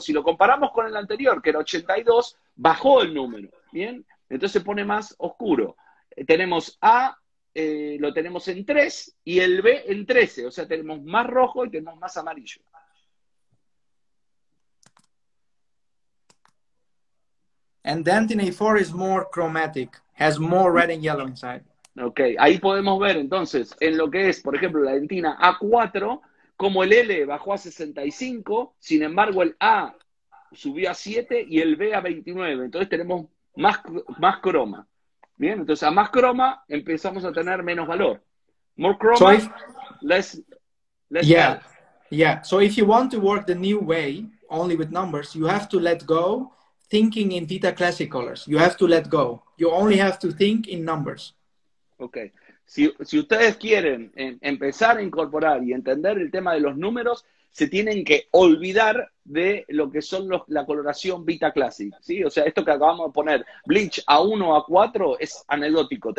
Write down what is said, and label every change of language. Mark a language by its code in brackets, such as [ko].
[es] Si lo comparamos con el anterior, que era 82, bajó el número. ¿Bien? Entonces se pone más oscuro. Tenemos A, lo tenemos en 3, y el B en 13. O sea, tenemos más rojo y tenemos más amarillo. [en] And dentin A4 is more chromatic, has more red and yellow inside. [es] Ok, ahí podemos ver entonces en lo que es, por ejemplo, la dentina A4, como el L bajó a 65, sin embargo el A subió a 7 y el B a 29. Entonces tenemos más croma. Bien, entonces a más croma empezamos a tener menos valor. [en] More croma, so if, less yeah, value. Yeah. So if you want to work the new way, only with numbers, you have to let go thinking in Theta Classic colors. You have to let go. You only have to think in numbers. Okay. [es] Si ustedes quieren empezar a incorporar y entender el tema de los números, se tienen que olvidar de lo que son la coloración Vita Classic, ¿sí? O sea, esto que acabamos de poner, bleach a 1 a 4, es anecdótico.